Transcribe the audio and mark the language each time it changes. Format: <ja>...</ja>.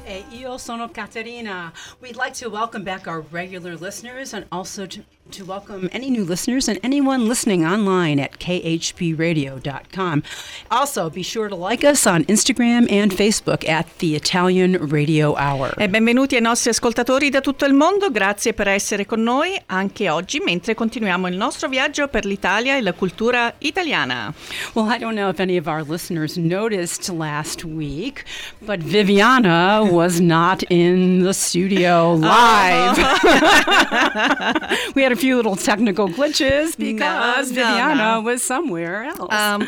<it>E io sono Caterina.</it> <en>We'd like to welcome back our regular listeners and also to welcome any new listeners and anyone listening online at khbradio.com. Also, be sure to like us on Instagram and Facebook at The Italian Radio Hour.</en> <it>E benvenuti ai nostri ascoltatori da tutto il mondo. Grazie per essere con noi anche oggi mentre continuiamo il nostro viaggio per l'Italia e la cultura italiana.</it> <en>Well, I don't know if any of our listeners noticed last week, but Viviana was not in the studio live. We had a few little technical glitches because Viviana was somewhere else.</en>